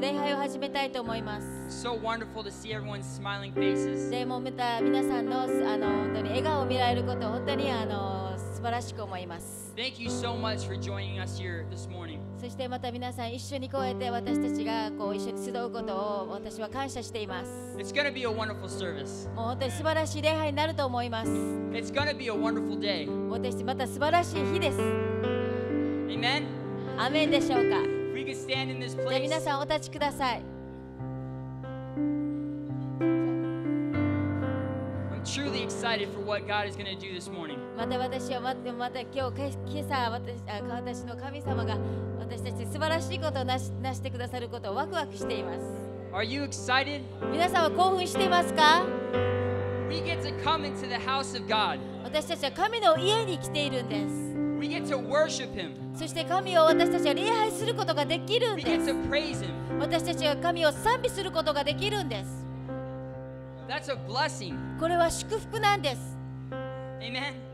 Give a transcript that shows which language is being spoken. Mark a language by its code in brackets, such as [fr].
[ja] 礼拝を始めたいと思います。 [en] So wonderful to see everyone's smiling faces. [ja] でも、また皆さんの、本当に笑顔を見られることを本当に、素晴らしく思います。 [en] Thank you so much for joining us here this morning. [ja] そしてまた皆さん一緒にこうやって私たちがこう一緒に集うことを私は感謝しています。 [en] It's going to be a wonderful service. [ja] もう本当に素晴らしい礼拝になると思います。 [en] It's going to be a wonderful day. [ja] もう私また素晴らしい日です。 [en] Amen? [ja] アメンでしょうか? [en] We can stand in this place. [ja] じゃあ皆さんお立ちください。 [en] Truly excited for what God is going to do this morning. [ja] また私はまた今日今朝私の神様が私たち素晴らしいことを成してくださることをワクワクしています。 [en] Are you excited? [ja] 皆さんは興奮していますか? [en] We get to come into the house of God. [ja] 私たちは神の家に来ているんです。 [en] We get to worship Him. [ja] そして神を私たちは礼拝することができるんです。 [en] We get to praise Him. [ja] 私たちは神を賛美することができるんです。 [en] That's a blessing. [ja] これは祝福なんです。 [en] Amen.